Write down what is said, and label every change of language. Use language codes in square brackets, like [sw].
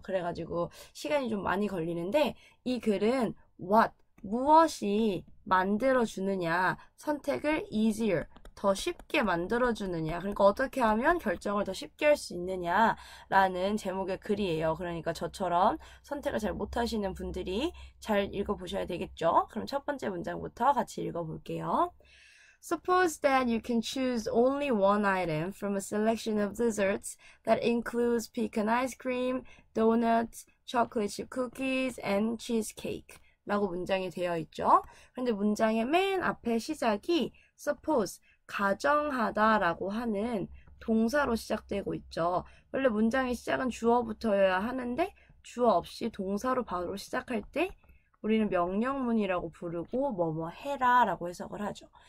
[ko] 그래가지고 시간이 좀 많이 걸리는데, 이 글은 what, 무엇이 만들어주느냐, 선택을 easier, 더 쉽게 만들어주느냐, 그러니까 어떻게 하면 결정을 더 쉽게 할수 있느냐라는 제목의 글이에요. 그러니까 저처럼 선택을 잘 못하시는 분들이 잘 읽어보셔야 되겠죠? 그럼 첫 번째 문장부터 같이 읽어볼게요. [en] Suppose that you can choose only one item from a selection of desserts that includes pecan ice cream, donuts, chocolate chip cookies, and cheesecake. [ko] 라고 문장이 되어 있죠? 그런데 문장의 맨 앞에 시작이 Suppose, 가정하다라고 하는 동사로 시작되고 있죠. 원래 문장의 시작은 주어부터여야 하는데 주어 없이 동사로 바로 시작할 때 우리는 명령문이라고 부르고 뭐뭐 해라라고 해석을 하죠.